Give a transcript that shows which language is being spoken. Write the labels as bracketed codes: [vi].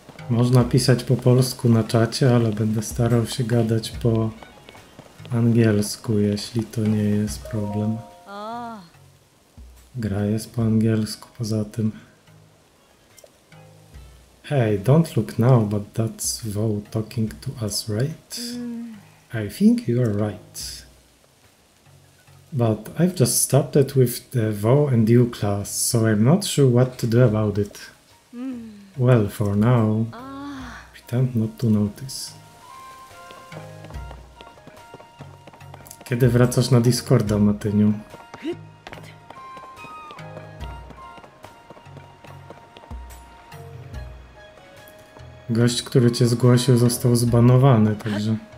[pl] Można pisać po polsku na czacie, ale będę starał się gadać po angielsku, jeśli to nie jest problem. Gra jest po angielsku, poza tym. [en] Hey, don't look now, but that's Vo talking to us, right? I think you are right. But I've just started with the Vo and you class, so I'm not sure what to do about it. Well, for now, pretend not to notice. [pl] Kiedy wracasz na Discorda, Matyniu? Gość, który cię zgłosił, został zbanowany, także...